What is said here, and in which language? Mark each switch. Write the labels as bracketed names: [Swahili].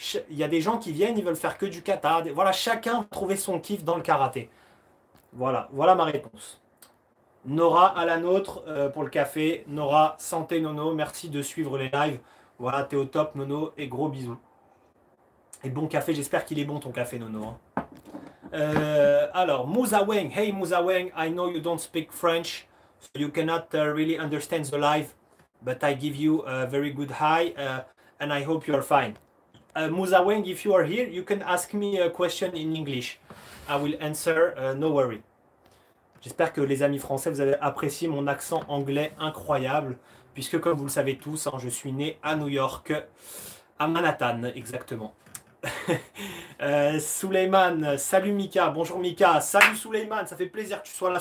[French] Il y a des gens qui viennent, ils veulent faire que du kata. Voilà, chacun peut trouver son kiff dans le karaté. Voilà, voilà ma réponse. Nora à la nôtre pour le café. Nora, santé Nono, merci de suivre les lives. Voilà, t'es au top Nono et gros bisous. Et bon café, j'espère qu'il est bon ton café Nono. Hein. [English] Alors, Moussa Weng, hey Moussa Weng, I know you don't speak French, so you cannot really understand the live, but I give you a very good hi and I hope you are fine. Moussa Weng, if you are here, you can ask me a question in English. I will answer, no worry. [French] J'espère que les amis français, vous avez apprécié mon accent anglais incroyable, puisque comme vous le savez tous, hein, je suis né à New York, à Manhattan exactement. Souleymane, salut Mika, bonjour Mika, salut Souleymane, ça fait plaisir que tu sois là.